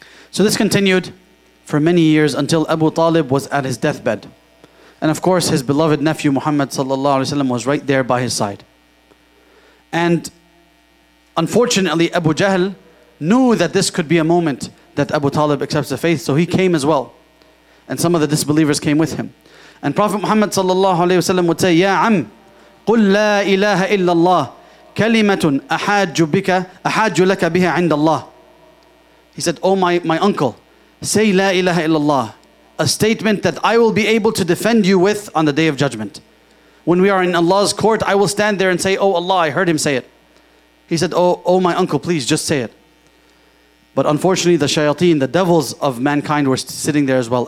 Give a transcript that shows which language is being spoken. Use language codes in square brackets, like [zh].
[en] So this continued for many years until Abu Talib was at his deathbed. And of course, his beloved nephew Muhammad sallallahu alaihi wasallam was right there by his side. And unfortunately, Abu Jahl knew that this could be a moment that Abu Talib accepts the faith, so he came as well. And some of the disbelievers came with him. And Prophet Muhammad sallallahu alaihi wasallam would say, [ar] Ya Am, قُلْ لَا إِلَهَ إِلَّا اللَّهِ كَلِمَةٌ أَحَاجُ لَكَ بِهَا عِنْدَ اللَّهِ. [en] He said, oh my uncle, say La ilaha illallah, a statement that I will be able to defend you with on the Day of Judgment. When we are in Allah's court, I will stand there and say, oh Allah, I heard him say it. He said, oh my uncle, please just say it. But unfortunately, the shayateen, the devils of mankind were sitting there as well.